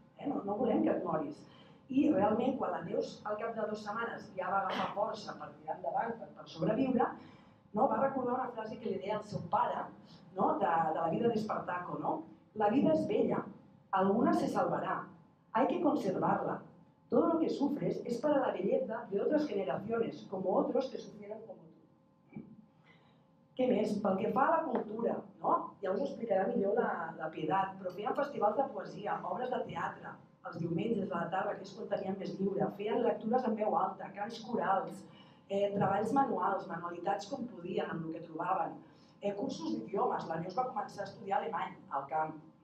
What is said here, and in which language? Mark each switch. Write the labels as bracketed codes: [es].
[ca] No volem que et moris. I realment, quan la Neus al cap de dues setmanes ja va agafar força per tirar endavant, per sobreviure, no?, va recordar una frase que li deia el seu pare, no?, de la vida d'Espartaco, no? La vida és bella, alguna se salvarà, [es] hay que conservarla. Todo lo que sufres es para la belleza de otras generaciones, como otros que sufrieron como tú. [ca] Què més? Pel que fa a la cultura, no?, ja us explicarà millor la Piedat, però feien festivals de poesia, obres de teatre, els diumenges a la tarda, que és quan tenien més lliure, feien lectures en veu alta, cants corals, treballs manuals, manualitats com podien, amb el que trobaven, cursos d'idiomes, la Neus va començar a estudiar alemany al camp.